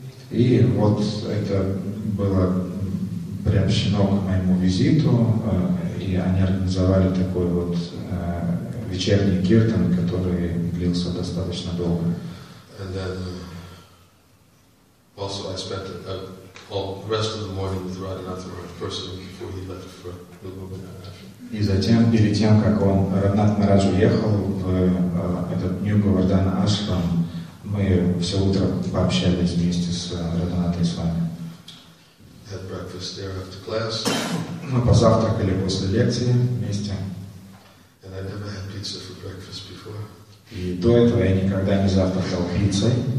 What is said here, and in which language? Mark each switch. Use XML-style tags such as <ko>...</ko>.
<ru>И вот это было приобщено к моему визиту. И они организовали такой вот вечерний киртан, который длился достаточно долго.</ru> <en>And then also I spent the rest of the morning with Radhanath Maharaj personally before he left for New Govardhan Ashram.</en> <ru>И затем, перед тем, как он Радханат Махарадж уехал в этот New Govardhan Ashram, мы все утро пообщались вместе с Радханатой с вами.</ru> <en>Had breakfast there after class.</en> <ru>Мы позавтракали после лекции вместе.</ru> <en>And I never had pizza for breakfast before.</en> <ru>И до этого я никогда не завтракал пиццей.</ru>